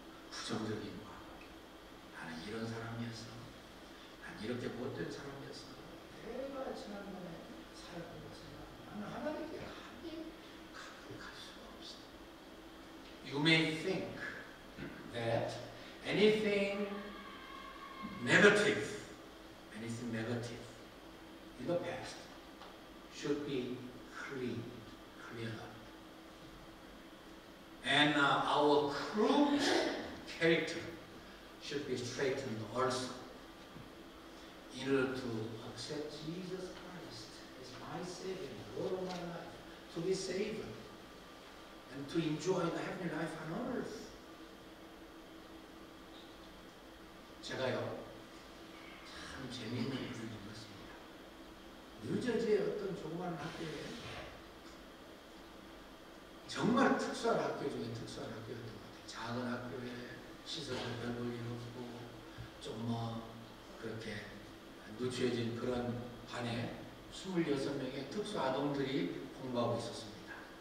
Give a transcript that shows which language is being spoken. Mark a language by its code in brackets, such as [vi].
[ko] 부정적인 과거. 나는 이런 사람이었어. 난 이렇게 못된 사람이었어. 내가 지난번에 살았던 것은 나는 하나님께 감히 가득할 수가 없어. [en] You may think that anything negative, anything negative in the past should be cleaned, cleared up. And our crooked character should be straightened also in order to accept Jesus Christ as my Savior, Lord of my life, to be saved and to enjoy the heavenly life on earth. [ko] 제가요, 참 재미있는 일을 겪었습니다. 뉴저지의 어떤 조그만 학교에 정말 특수한 학교 중에 특수한 학교였던 것 같아요. 작은 학교에 시설을 별 볼 일 없고 좀 뭐 그렇게 누추해진 그런 반에 26명의 특수아동들이 공부하고 있었습니다.